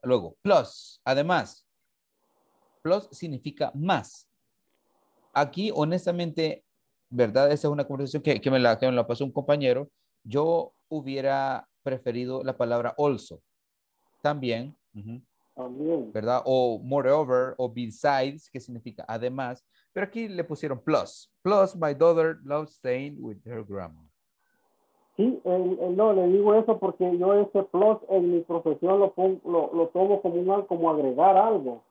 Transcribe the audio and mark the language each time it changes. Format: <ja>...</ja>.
<es>Luego, plus, además, plus significa más. Aquí, honestamente, ¿verdad? Esa es una conversación que me la pasó un compañero. Yo hubiera preferido la palabra also, también, ¿verdad? O moreover, o besides, que significa además. Pero aquí le pusieron plus.</es> <en>Plus, my daughter loves staying with her grandma.</en> <es>Sí, no, le digo eso porque yo ese plus en mi profesión lo tomo como agregar algo.</es>